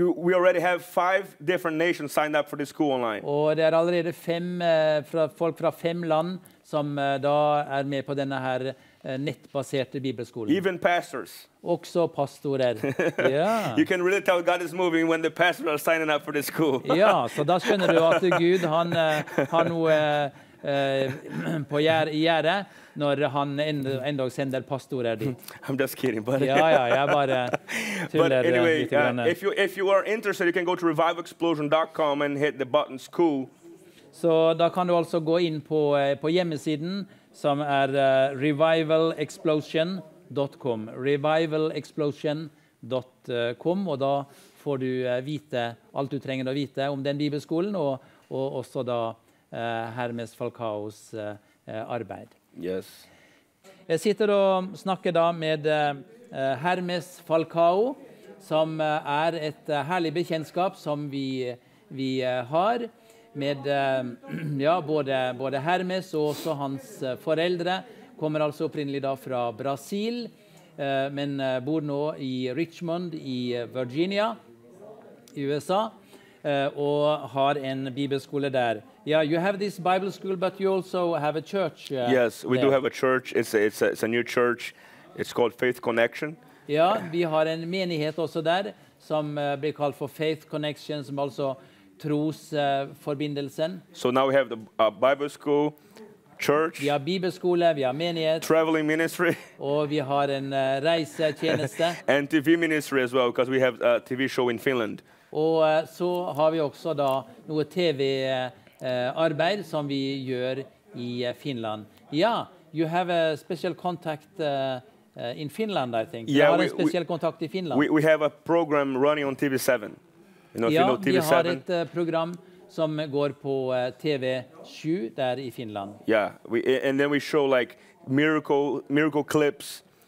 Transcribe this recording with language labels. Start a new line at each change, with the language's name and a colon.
English: We already have 5 different nations signed up for this school online.
Norwegian: Og det er allerede 5 folk fra 5 land som da er med på denne her nettbaserte bibelskolen.
English: Even pastors.
Norwegian: Også pastorer.
English: You can really tell God is moving when the pastors are signing up for this school.
Norwegian: Ja, så da skjønner du at Gud han har noe på gjære når han enda sender pastorer dit.
English: I'm just kidding, buddy.
Norwegian: Ja, jeg bare tuller litt.
English: But anyway, if you are interested, you can go to reviveexplosion.com and hit the button school.
Norwegian: Så da kan du altså gå inn på hjemmesiden, som er revivalexplosion.com. Revivalexplosion.com, og da får du vite alt du trenger å vite om den bibelskolen, og også da Hermes Falcaos arbeid.
English: Yes.
Norwegian: Jeg sitter og snakker da med Hermes Falcao, som er et herlig bekjentskap som vi har med både Hermes og også hans foreldre. Kommer altså opprinnelig da fra Brasil, men bor nå i Richmond i Virginia i USA, og har en bibelskole der.
English: Yeah, you have this Bible school, but you also have a church. Yes, we do have a church. It's a new church. It's called Faith Connection.
Norwegian: Yeah, vi har en menighet også der, som blir kalt for Faith Connection, som altså trosforbindelsen.
English: So now we have the Bible school, church.
Norwegian: Vi har bibelskole, vi har menighet.
English: Traveling ministry.
Norwegian: Og vi har en reisetjeneste.
English: And TV ministry as well, because we have a TV show in Finland.
Norwegian: Og så har vi også da noe TV arbeid som vi gjør i Finland.
English: Yeah, you have a special contact in Finland, I think. Yeah,
Norwegian: har en spesiell kontakt i Finland.
English: We have a program running on TV7. You know, if you know TV7.
Norwegian: Vi har et program som går på TV7 der i Finland.
English: Yeah, and then we show like miracle clips.